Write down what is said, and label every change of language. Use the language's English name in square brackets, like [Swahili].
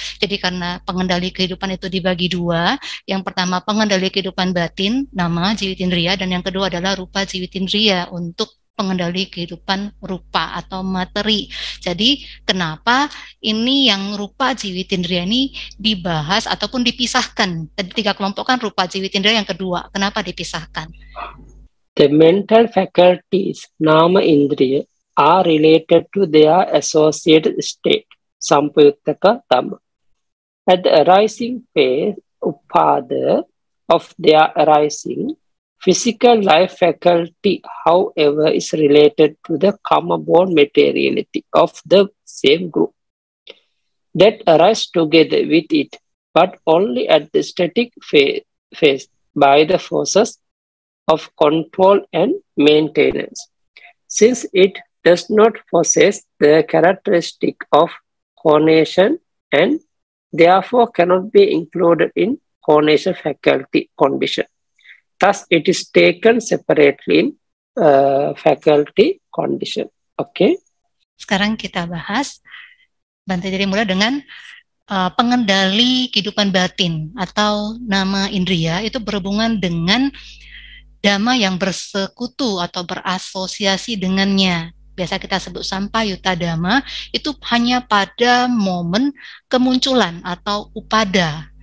[Indonesian] Jadi karena pengendali kehidupan itu dibagi dua, yang pertama pengendali kehidupan batin, nama jiwit indria, dan yang kedua adalah rupa jiwit indria untuk pengendali kehidupan rupa atau materi. Jadi kenapa ini yang rupa jiwit indria ini dibahas ataupun dipisahkan? Tadi tiga kelompok kan rupa jiwit indria, yang kedua kenapa dipisahkan? [English] The mental faculties, nama indria, are related to their associated state, sampuyuttaka dhamma. At the arising phase, upada of their arising, physical life faculty, however, is related to the karma-born materiality of the same group that arise together with it, but only at the static phase by the forces of control and maintenance. Since it does not possess the characteristic of cognition and therefore cannot be included in cognition faculty condition, thus it is taken separately in faculty condition. Okay. [Indonesian] Sekarang kita bahas Bante jadi mulai dengan pengendali kehidupan batin atau nama indria itu berhubungan dengan dhamma yang bersekutu atau berasosiasi dengannya. Biasa kita sebut sampayuta dhamma itu hanya pada momen kemunculan atau upada.